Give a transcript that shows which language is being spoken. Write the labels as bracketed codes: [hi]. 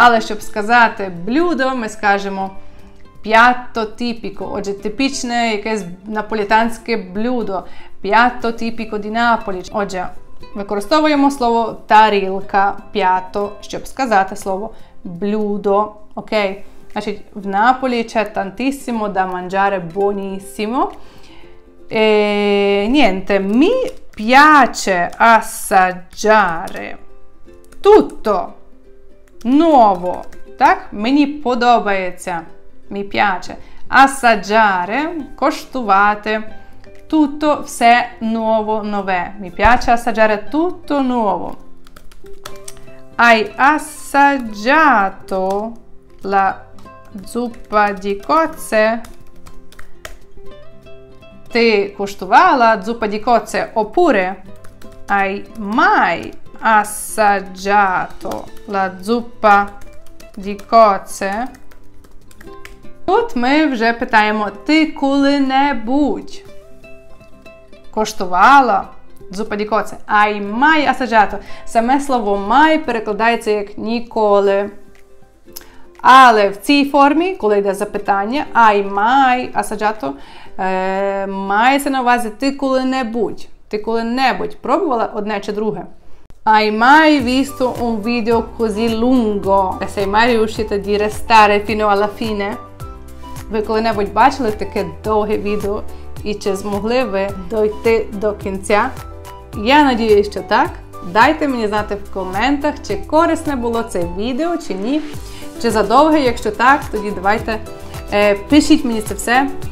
[uk] Але щоб сказати блюдо, ми скажемо п'ято типіко. Отже, типічне якесь наполітанське блюдо. П'ято типіко ді Наполі. Отже, використовуємо слово тарілка, п'ято, щоб сказати слово блюдо. Окей, значить, в Наполі [it] c'è tantissimo da mangiare buonissimo. E niente, mi piace assaggiare tutto nuovo, так? [uk] Мені подобається, [it] mi piace assaggiare, [uk] коштувати tutto, все nuovo, нове. [it] Mi piace assaggiare tutto nuovo. Hai assaggiato la zuppa di cozze? [uk] Ти куштувала зупа ді коце, опуре? [it] Hai mai assaggiato la zuppa di cozze? [uk] Тут ми вже питаємо, ти коли-небудь куштувала зупа ді коце? [it] Hai mai assaggiato? [uk] Саме слово mai перекладається як ніколи. Але в цій формі, коли йде запитання, [it] hai mai assaggiato, [uk] мається на увазі ти коли-небудь. Ти коли-небудь пробувала одне чи друге? [it] Hai mai visto un video così lungo? Sei mai riuscito di restare fino alla fine? [uk] Ви коли-небудь бачили таке довге відео? І чи змогли ви дойти до кінця? Я надіюсь, що так. Дайте мені знати в коментах, чи корисне було це відео, чи ні. Чи задовге, якщо так, тоді давайте пишіть мені це все.